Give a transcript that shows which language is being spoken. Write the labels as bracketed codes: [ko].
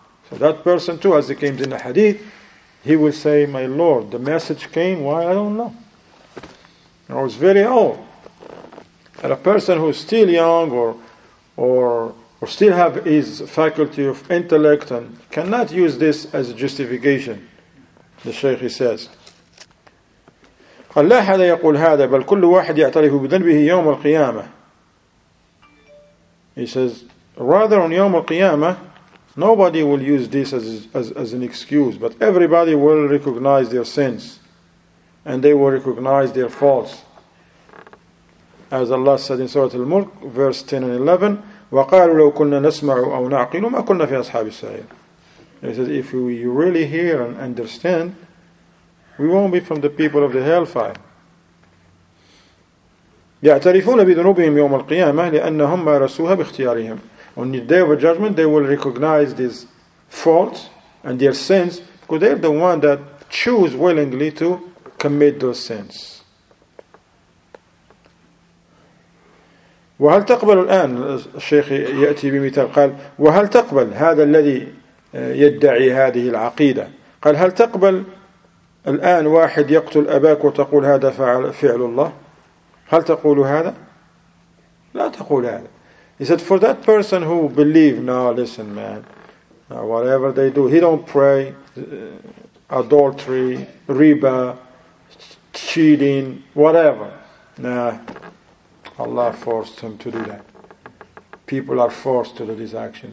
[en] So that person too, as it came in the hadith, he will say, my Lord, the message came, why? I don't know. And I was very old. And a person who is still young or still have his faculty of intellect and cannot use this as a justification, the Shaykh says. [ar] Allah had يقول هذا بل كل واحد يعترف بذنبه يوم القيامة. [en] He says, rather on يوم القيامة, nobody will use this as an excuse, but everybody will recognize their sins and they will recognize their faults. As Allah said in Surah Al-Mulk, verse 10 and 11, [ar] وَقَالُوا لَوْ كُنَّا نَسْمَعُ أَوْ نَعْقِلُ مَا كُنَّا فِي أَصْحَابِ السَّعِيرِ. [en] He says, if we really hear and understand, we won't be from the people of the hellfire. [ar] يَعْتَرِفُونَ بِذُنُوبِهِمْ يَوْمَ الْقِيَامَةِ لِأَنَّهُمْ مَارَسُوهَا بِاخْتِيَارِهِمْ. [en] On the day of judgment, they will recognize these faults and their sins, because they're the one that choose willingly to commit those sins. [ar] وهل تقبل الآن الشيخ يأتي بمثال قال وهل تقبل هذا الذي يدعي هذه العقيدة قال هل تقبل الآن واحد يقتل أباك وتقول هذا فعل الله هل تقول هذا لا تقول هذا. [en] He said, for that person who believe, no, listen man, whatever they do, he don't pray, adultery, riba, cheating, whatever, nah. Allah forced him to do that. People are forced to do this action.